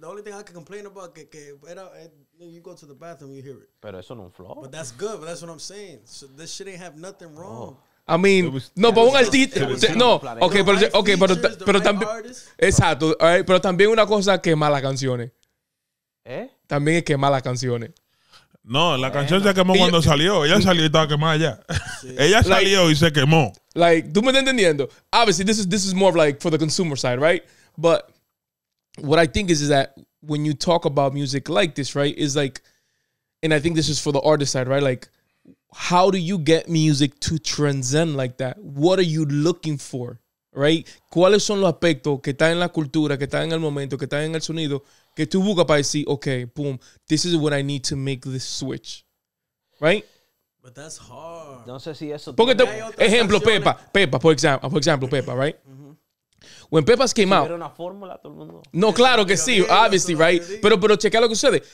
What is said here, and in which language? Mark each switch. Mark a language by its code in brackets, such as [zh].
[en] The only thing I can complain about is that you go to the bathroom, you hear it. [es] Pero eso no es un flaw. [en] But that's good, but that's what I'm saying. So this shit ain't have nothing wrong. Oh. I mean, was, [es] no, pero un artista, no, okay, pero right, okay, pero también, exacto, right, pero también una cosa que mala canciones. ¿Eh? También es que mala canciones. No, la canción se quemó cuando salió. Ella salió y estaba quemada ya. Ella salió y se quemó. Like, ¿tú me estás entendiendo? [en] Obviously, this is more of like for the consumer side, right? But what I think is that when you talk about music like this, right, is like, and I think this is for the artist side, right? Like, how do you get music to transcend like that? What are you looking for, right? [es] ¿Cuáles son los aspectos que están en la cultura, que están en el momento, que están en el sonido? Que tú buscas para decir, [en] okay, boom, this is what I need to make this switch. Right? But that's hard. [es] No sé si eso... Porque ejemplo, canciones. Pepa, por ejemplo, Pepa, right? Mm-hmm. [en] When Pepa's came out... [es] Era una fórmula, todo el mundo. No, claro que sí, obviously, right? Pero checa lo que sucede.